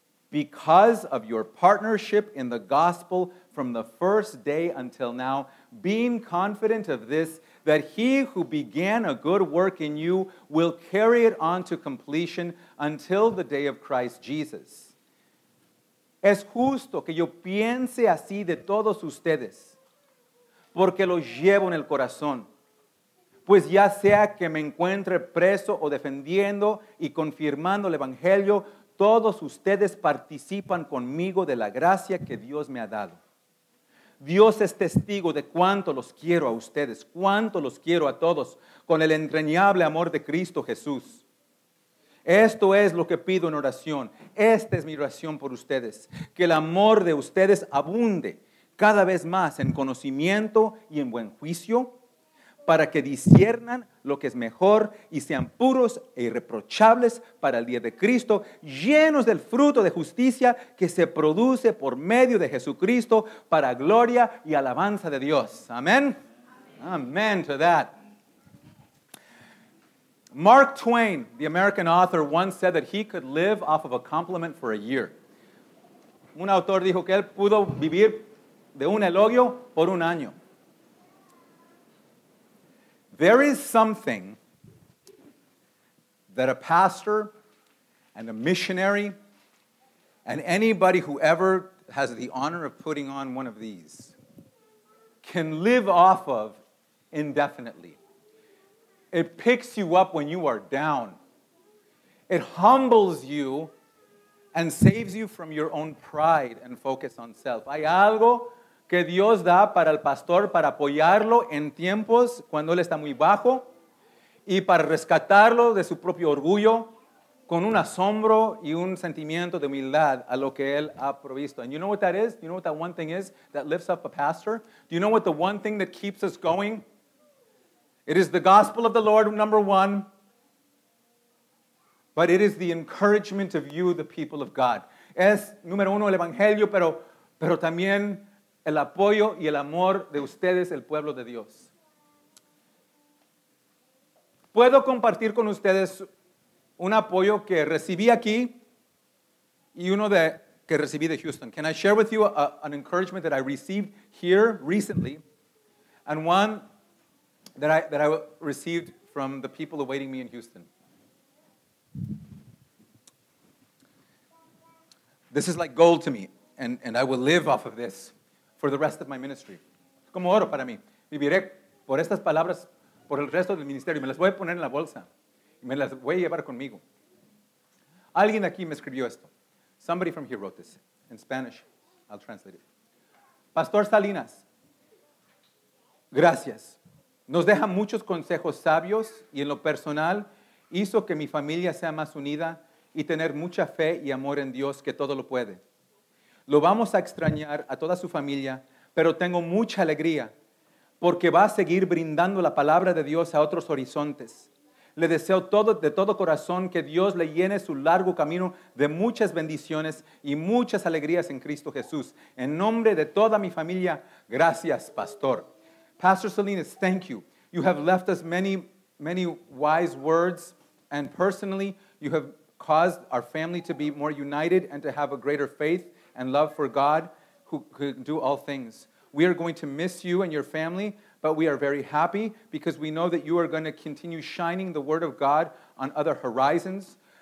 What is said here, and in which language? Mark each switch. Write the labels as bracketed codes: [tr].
[en] Because of your partnership in the gospel from the first day until now, being confident of this, that he who began a good work in you will carry it on to completion until the day of Christ Jesus. [es] Es justo que yo piense así de todos ustedes, porque los llevo en el corazón. Pues ya sea que me encuentre preso o defendiendo y confirmando el Evangelio, todos ustedes participan conmigo de la gracia que Dios me ha dado. Dios es testigo de cuánto los quiero a ustedes, cuánto los quiero a todos, con el entrañable amor de Cristo Jesús. Esto es lo que pido en oración. Esta es mi oración por ustedes. Que el amor de ustedes abunde cada vez más en conocimiento y en buen juicio, para que disciernan lo que es mejor y sean puros e irreprochables para el día de Cristo, llenos del fruto de justicia que se produce por medio de Jesucristo para gloria y alabanza de Dios. Amén. [en] Amen to that. Mark Twain, the American author, once said that he could live off of a compliment for a year. [es] Un autor dijo que él pudo vivir de un elogio por un año. [en] There is something that a pastor and a missionary and anybody who ever has the honor of putting on one of these can live off of indefinitely. It picks you up when you are down. It humbles you and saves you from your own pride and focus on self. [es] Hay algo que Dios da para el pastor para apoyarlo en tiempos cuando él está muy bajo y para rescatarlo de su propio orgullo con un asombro y un sentimiento de humildad a lo que él ha provisto. [en] And you know what that is? You know what that one thing is that lifts up a pastor? Do you know what the one thing that keeps us going? It is the gospel of the Lord, number one. But it is the encouragement of you, the people of God. [es] Es, número uno, el evangelio, pero también el apoyo y el amor de ustedes, el pueblo de Dios. Puedo compartir con ustedes un apoyo que recibí aquí y uno de, que recibí de Houston. [en] Can I share with you an encouragement that I received here recently and one that I received from the people awaiting me in Houston? This is like gold to me, and I will live off of this for the rest of my ministry. [es] Como oro para mí. Viviré por estas palabras por el resto del ministerio. Me las voy a poner en la bolsa. Y me las voy a llevar conmigo. Alguien aquí me escribió esto. [en] Somebody from here wrote this. In Spanish, I'll translate it. Pastor Salinas, gracias. [es] Nos deja muchos consejos sabios y en lo personal hizo que mi familia sea más unida y tener mucha fe y amor en Dios que todo lo puede. Lo vamos a extrañar a toda su familia, pero tengo mucha alegría porque va a seguir brindando la palabra de Dios a otros horizontes. Le deseo todo, de todo corazón que Dios le llene su largo camino de muchas bendiciones y muchas alegrías en Cristo Jesús. En nombre de toda mi familia, gracias, Pastor. [en] Pastor Salinas, thank you. You have left us many, many wise words, and personally, you have caused our family to be more united and to have a greater faith and love for God, who could do all things. We are going to miss you and your family, but we are very happy because we know that you are going to continue shining the word of God on other horizons.